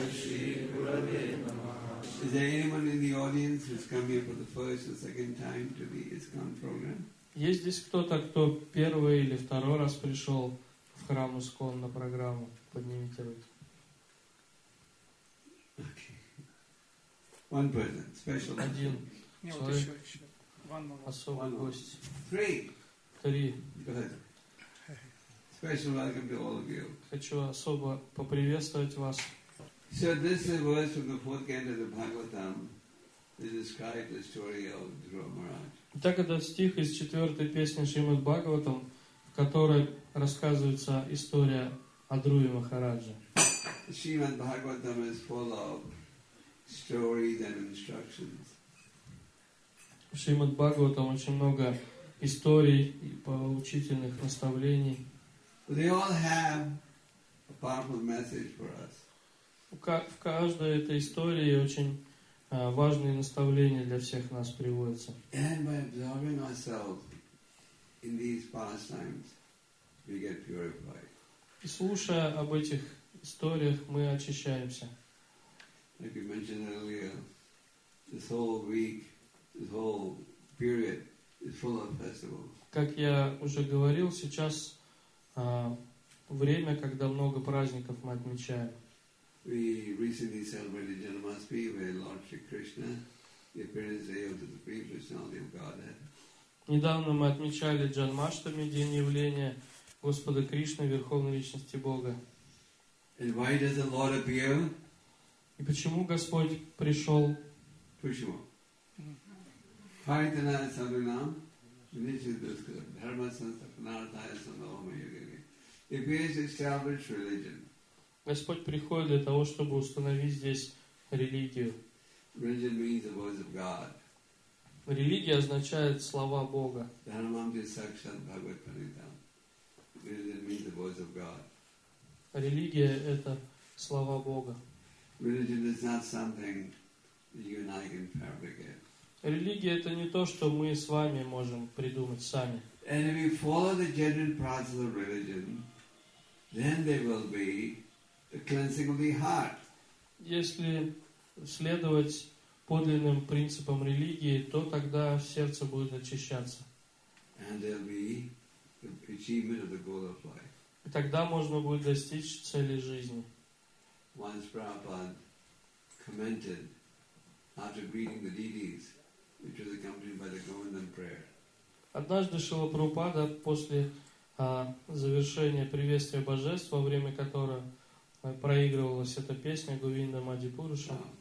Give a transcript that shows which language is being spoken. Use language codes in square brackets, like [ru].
[en] Is there anyone in the audience who's come here for the first or second time to the ISKCON program? [ru] Есть здесь кто-то, кто первый или второй раз пришел в храм ИСККОН на программу? Поднимите руки. [en] Okay. One person, special. [ru] Один. Нет, еще. Особый гость. [en] Three. Go ahead. Special welcome to all of you. [ru] Хочу особо поприветствовать вас. [en] So this is a verse from the fourth canto of the Bhagavatam that describes the story of Dhruva Maharaj. [ru] Так это стих из четвертой песни Шримад Бхагаватам, в которой рассказывается история о Друве Махараджа. [en] Шримад Бхагаватам is full of stories and instructions. [ru] В Шримад Бхагаватам очень много историй и поучительных наставлений. [en] They all have a powerful message for us. [ru] В каждой этой истории очень важные наставления для всех нас приводятся. [en] And by absorbing ourselves in these pastimes, we get purified. [ru] И слушая об этих историях, мы очищаемся. [en] Like we mentioned earlier, this whole week, this whole period is full of festivals. [ru] Как я уже говорил, сейчас время, когда много праздников мы отмечаем. [en] We recently celebrated Janmashtami, where Lord Shri Krishna, the appearance of the Supreme Personality of Godhead. [ru] Недавно мы отмечали Джанмаштами, день явления Господа Кришны, Верховной Личности Бога. [en] And why does the Lord appear? [ru] И почему Господь пришел? Почему? Харитана Сандунам, Нишидуска, Дхарма Сандунартая Сандунама Йогами. [en] He appears to establish religion. [ru] Господь приходит для того, чтобы установить здесь религию. [en] Religion means the voice of God. [ru] Религия означает слова Бога. Религия — это слова Бога. Религия — это не то, что мы с вами можем придумать сами. [en] And if you follow the genuine practice of religion, then there will be the cleansing of the heart. [ru] Если следовать подлинным принципам религии, то тогда сердце будет очищаться. [en] And there'll be the achievement of the goal of life. [ru] И тогда можно будет достичь цели жизни. [en] Once Prabhupada commented after greeting the deities, which was accompanied by the Govindam prayer. [ru] Однажды Шрила Прабхупада после завершения приветствия божеств, во время которого проигрывалась эта песня Говинда Мади Пуруша.